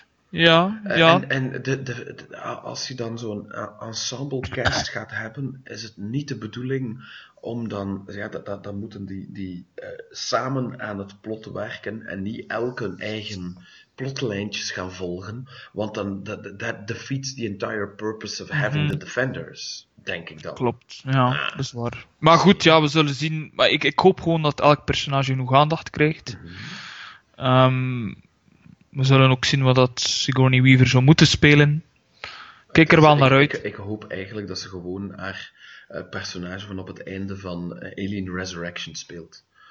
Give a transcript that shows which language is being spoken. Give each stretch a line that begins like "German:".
Dutch: Ja. En als je dan zo'n ensemble cast gaat hebben, is het niet de bedoeling om dan... Ja, dan moeten die samen aan het plot werken en niet elk hun eigen plotlijntjes gaan volgen. Want dan
English: that defeats the entire purpose of having the Defenders.
Dutch: Denk ik dan. Klopt, ja, dat is waar. Maar goed, ja, we zullen zien. Maar ik hoop gewoon dat elk personage genoeg aandacht krijgt. Mm-hmm. We zullen ook zien wat dat Sigourney Weaver zou moeten spelen. Kijk er wel naar uit. Ik hoop eigenlijk dat ze gewoon haar personage van op het einde van Alien Resurrection speelt.